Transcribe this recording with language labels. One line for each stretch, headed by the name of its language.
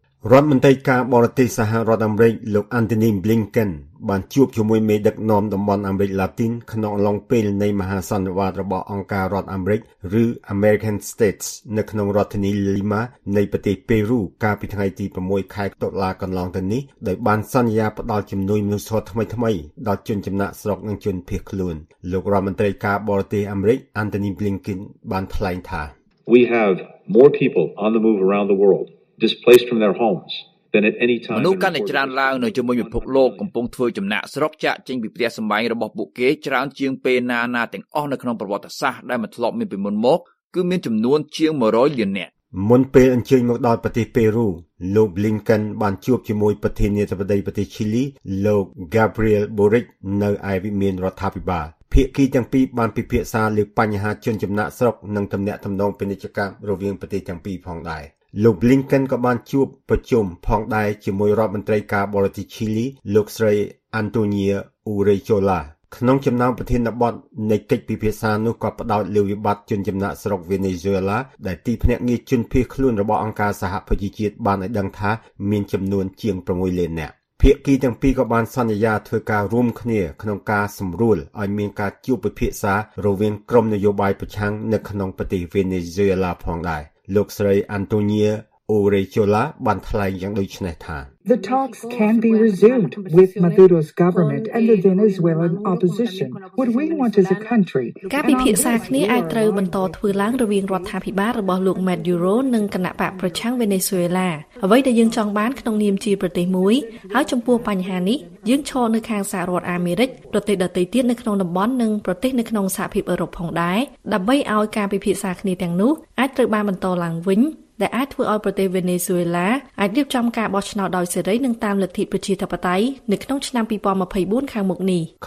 Khmer: រដ្ឋមន្ត្រីការបរទេសសហរដ្ឋអាមេរិកលោក Antony Blinken បានជួបជាមួយមេដឹកនាំតំបន់អាមេរិកឡាទីនក្នុងអំឡុងពេលនៃមហាសន្និបាតរបស់អង្គការរដ្ឋអាមេរិកឬ American States នៅក្នុងរដ្ឋធានីលីម៉ានៃប្រទេសប៉េរូកាលពីថ្ងៃទី6ខែតុលាកន្លងទៅនេះដោយបានសន្យាផ្តល់ជំនួយមនុស្សធម៌ថ្មីៗដល់ជនចំណាកស្រុកនិងជនភៀសខ្លួនលោករដ្ឋមន្ត្រីការបរទេសអាមេរិក Antony Blinken បានថ្លែងថា
English: We have more people on the move around the world. displaced from their homes than at any time
Khmer: មនុស្សកាន់តែច្រើនឡើងនៅជាមួយពិភពលោកកំពុងធ្វើចំណាក់ស្រុកចាកចេញពីផ្ទះសម្បែងរបស់ពួកគេច្រើនជាងពេលណាណាទាំងអស់នៅក្នុងប្រវត្តិសាស្ត្រដែលមិនធ្លាប់មានពីមុនមកគឺមានចំនួនជាង100លាននាក់មុនពេលអញ្ជើញមកដល់ប្រទេសប៉េរូលោក Blinken បានជួបជាមួយប្រធានាធិបតីប្រទេសឈីលីលោក Gabriel Boric នៅឯវិមានរដ្ឋាភិបាលភាគីទាំងពីរបានពិភាក្សាលើបញ្ហាជនចំណាក់ស្រុកនិងទំនាក់ទំនងពាណិជ្ជកម្មរវាងប្រទេសទាំងពីរផងដែរលោក Blinken ក៏បានជួបប្រជុំផងដែរជាមួយរដ្ឋមន្ត្រីការបរទេសឈីលីលោកស្រី Antonia Urrejola ក្នុងចំណោមប្រធានបទនៃកិច្ចពិភាក្សានោះក៏ផ្ដោតលើវិបត្តិជនចំណាកស្រុក Venezuela ដែលទីភ្នាក់ងារជនភៀសខ្លួនរបស់អង្គការសហប្រជាជាតិបានឲ្យដឹងថាមានចំនួនជាង6លាននាក់ភាគីទាំងពីរក៏បានសន្យាធ្វើការរួមគ្នាក្នុងការសម្រួលឲ្យមានការជួបពិភាក្សារវាងក្រុមនយោបាយប្រឆាំងនៅក្នុងប្រទេស Venezuela ផងដែរលោកស្រី Antonia Urrejola បានថ្លែងយ៉ាងដូចនេះថា
English: The talks can be resumed with Maduro's government and the Venezuelan opposition. What we want as a country
Khmer: ការពិភាក្សាគ្នាអាចត្រូវបន្តធ្វើឡើងរវាងរដ្ឋាភិបាលរបស់លោក Maduro និងគណបកប្រឆាំង Venezuela អ្វីដែលយើងចង់បានក្នុងនាមជាប្រទេសមួយហើយចំពោះបញ្ហានេះយើងឈរនៅខាងសហរដ្ឋអាមេរិកប្រទេសដទៃទៀតនៅក្នុងតំបន់និងប្រទេសនៅក្នុងសហភាពអឺរ៉ុបផងដែរដើម្បីឲ្យការពិភាក្សាគ្នាទាំងនោះអាចត្រូវបានបន្តឡើងវិញដែលអាចធ្វើឲ្យប្រទេស Venezuela អាចរៀបចំការបោះឆ្នោតដោយសេរីនិងតាមលទ្ធិប្រជាធិបតេយ្យនៅក្នុងឆ្នាំ2024ខាងមុខនេះ